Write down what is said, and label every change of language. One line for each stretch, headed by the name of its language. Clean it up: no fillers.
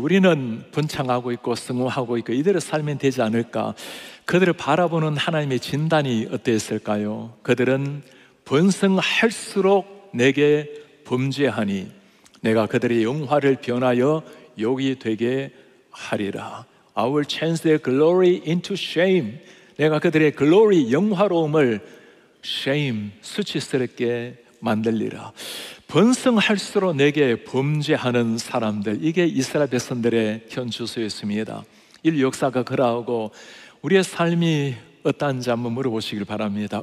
Korean: 우리는 번창하고 있고 승화하고 있고 이대로 살면 되지 않을까. 그들을 바라보는 하나님의 진단이 어땠을까요? 그들은 번성할수록 내게 범죄하니 내가 그들의 영화를 변하여 욕이 되게 하리라.
English: I will change their glory into shame.
Korean: 내가 그들의 glory, 영화로움을 shame, 수치스럽게 만들리라. 번성할수록 내게 범죄하는 사람들, 이게 이스라엘 백성들의 현주소였습니다. 인류 역사가 그러하고 우리의 삶이 어떠한지 한번 물어보시길 바랍니다.